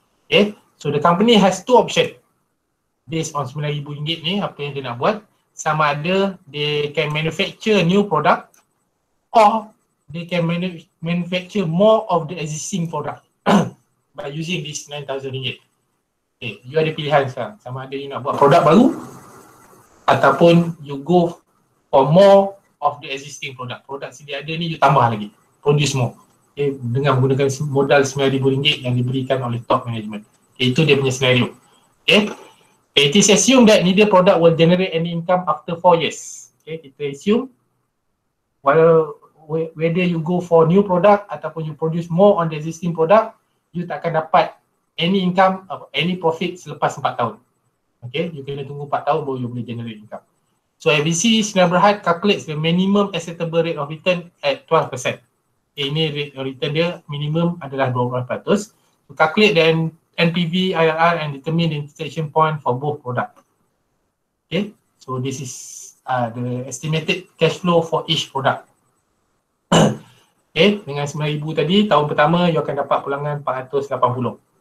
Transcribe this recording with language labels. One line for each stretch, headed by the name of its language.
English: Okay, so the company has two options based on RM9,000 ni,
Malay: apa yang dia nak buat. Sama ada
English: they can manufacture new product or they can manufacture more of the existing product by using this RM9,000.
Malay: Okay, you ada pilihan sekarang. Sama ada you nak buat produk baru ataupun
English: you go for more of the existing product.
Malay: Produk sedia ada ni you tambah lagi.
English: Produce more.
Malay: Okay, dengan menggunakan modal RM9,000 yang diberikan oleh top management. Okay, itu dia punya scenario. Okay.
English: It is assumed that neither product will generate any income after 4 years. Okay, kita assume while whether you go for new product ataupun you produce more on the existing product, you
Malay: tak akan dapat
English: any income, any profit
Malay: selepas 4 tahun.
English: Okay, you
Malay: kena tunggu 4 tahun baru you boleh
English: generate income. So ABC Sdn Bhd calculates the minimum acceptable rate of return at 12%.
Malay: Okay, ini rate return dia minimum adalah 12%.
English: So calculate the NPV, IRR and determine the intersection point for both product. Okay, so this is the estimated cash flow for each product.
Malay: Okay, dengan RM9,000 tadi, tahun pertama you akan dapat pulangan RM480.